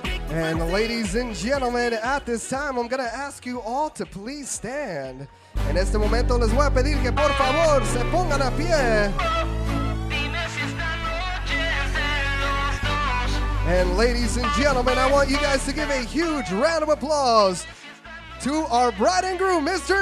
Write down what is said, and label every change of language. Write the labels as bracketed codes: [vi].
[en] And ladies and gentlemen, at this time, I'm going to ask you all to please stand. [es] En este momento, les voy a pedir que por favor se pongan a pie. [en] And ladies and gentlemen, I want you guys to give a huge round of applause to our bride and groom, Mr.